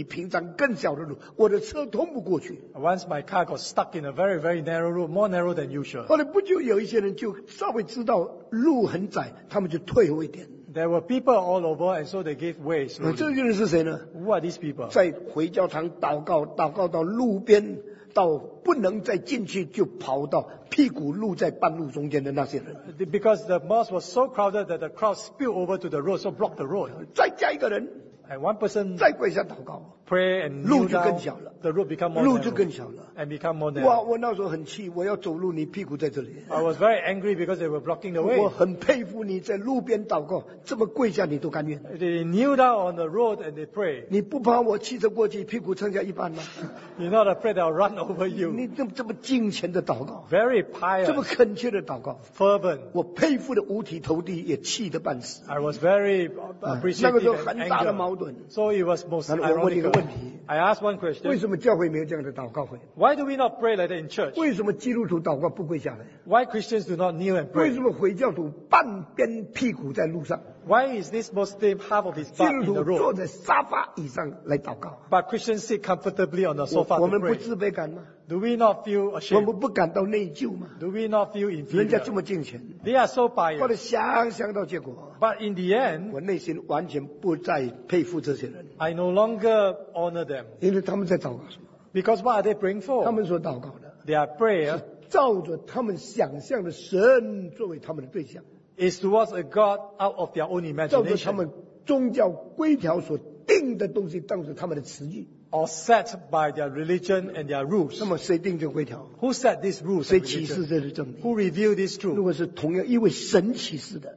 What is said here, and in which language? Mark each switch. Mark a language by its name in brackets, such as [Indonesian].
[Chinese] 所以呢，比平常更小的路，我的车通不过去。 [English] Once my car got stuck in a very, very narrow road, more narrow than usual. [Chinese] 后来不久有一些人就稍微知道路很窄，他们就退后一点。 [English] There were people all over, and so they gave way. [Chinese] 这些人是谁呢？ [English] Who are these people? [Chinese] 在回教堂祷告，祷告到路边，到不能再进去，就跑到屁股露在半路中间的那些人。 [English] Because the mosque was so crowded that the crowd spilled over to the road, so blocked the road. [Chinese] 再加一个人。 [English] And one person [Chinese] 再跪下祷告, [English] pray and kneel down, [Chinese] 路就更小了, [English] the road become more narrow. And become more narrow. [Chinese] 我那时候很气, 我要走路, [English] I was very angry because they were blocking the way. [Chinese] 我很佩服你在路边祷告, 这么跪下你都甘愿。 [English] They kneel down on the road and they pray. [Chinese] 你不怕我气着过去, [English] You're not afraid I'll run over you. [Chinese] 你这么敬虔的祷告, [English] very pious. [Chinese] 这么恳切的祷告, [English] fervent. [Chinese] 我佩服得五体投地, 也气得半死。 [English] I was very appreciative and angry. So it was most ironic. I asked one question. [Chinese] 为什么教会没有这样的祷告会? [English] Why do we not pray like that in church? [Chinese] 为什么基督徒祷告不跪下来? [English] Why Christians do not kneel and pray? [Chinese] 为什么回教徒半边屁股在路上? [English] Why is this Muslim half of his butt in the road? [Chinese] 基督徒坐在沙发以上来祷告。 [English] But Christians sit comfortably on the sofa to pray. [Chinese] 我们不自卑感吗? [English] Do we not feel ashamed? [Chinese] 我们不感到内疚吗? [English] Do we not feel inferior? [Chinese] 人家这么敬虔。 [English] They are so pious. [Chinese] 或者想到结果。 [English] But in the end, [Chinese] 我内心完全不再佩服这些人。 [English] I no longer honor them. [Chinese] 因为他们在祷告什么? [English] Because what are they praying for? [Chinese] 他们所祷告的。 [English] Their prayer [Chinese] 是照着他们想象的神作为他们的对象。 [English] Is towards a God out of their own imagination. [Chinese] 照着他们宗教规条所定的东西当作他们的词语。 [English] Or set by their religion and their rules. [Chinese] 那么谁定这个规条? [English] Who set these rules? [Chinese] 谁启示这是正义? [English] Who revealed this truth? [Chinese] 如果是同样因为神启示的,